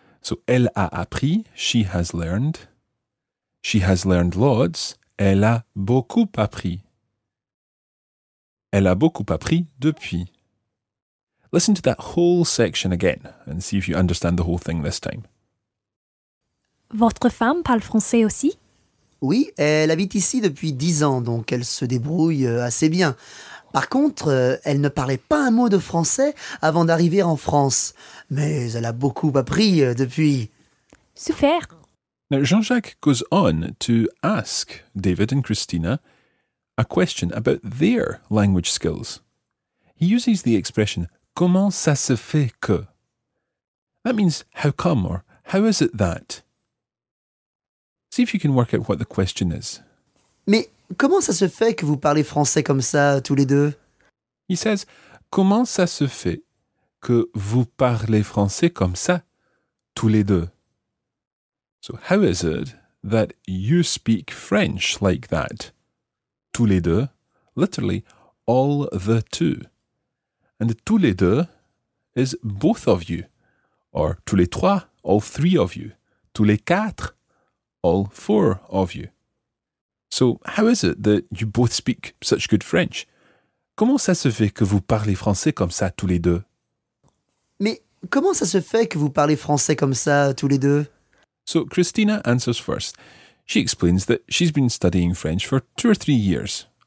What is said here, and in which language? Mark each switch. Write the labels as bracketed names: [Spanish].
[English] So [French] elle a appris, [English] she has learned. She has learned lots, [French] elle a beaucoup appris. Elle a beaucoup appris depuis. [English] Listen to that whole section again and see if you understand the whole thing this time. [French] Votre femme parle français aussi? Oui, elle habite ici depuis 10 ans, donc elle se débrouille assez bien. Par contre, elle ne parlait pas un mot de français avant d'arriver en France. Mais elle a beaucoup appris depuis. Super! [English] Now, Jean-Jacques goes on to ask David and Christina a question about their language skills. He uses the expression, [French] comment ça se fait que? [English] That means, how come or how is it that? See if you can work out what the question is. [French] Mais comment ça se fait que vous parlez français comme ça, tous les deux? [English] He says, [French] comment ça se fait que vous parlez français comme ça, tous les deux? [English] So how is it that you speak French like that? [French] Tous les deux, [English] literally, all the two. And [French] tous les deux [English] is both of you. Or [French] tous les trois, [English] all three of you. [French] Tous les quatre, [English] all four of you. So how is it that you both speak such good French? [French] Comment ça se fait que vous parlez français comme ça tous les deux? Mais comment ça se fait que vous parlez français comme ça tous les deux? [English] So Christina answers first. She explains that she's been studying French for 2 or 3 years.